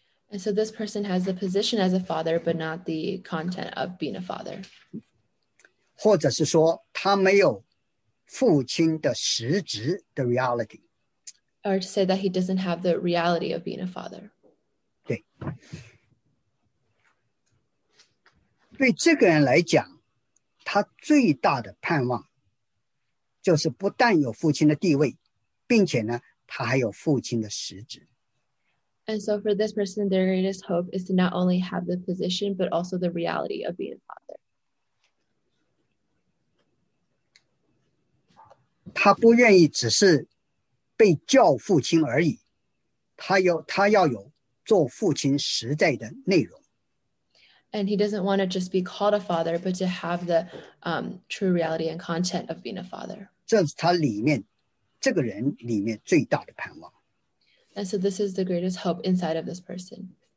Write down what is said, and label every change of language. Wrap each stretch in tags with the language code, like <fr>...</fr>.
<en>And so this person has the position as a father, but not the content of being a father.</en> <zh>或者是说他没有父亲的实质的 reality.</zh> <en>Or to say that he doesn't have the reality of being a father.</en> <zh>对。对这个人来讲，他最大的盼望就是不但有父亲的地位，并且呢他还有父亲的实质。</zh> <en>And so for this person, their greatest hope is to not only have the position, but also the reality of being a father.</en> <zh>他不愿意只是被叫父亲而已，他要有做父亲实在的内容。</zh> <en>And he doesn't want to just be called a father, but to have the true reality and content of being a father.</en> <zh>这是他里面这个人里面最大的盼望。</zh> <en>And so this is the greatest hope inside of this person.</en>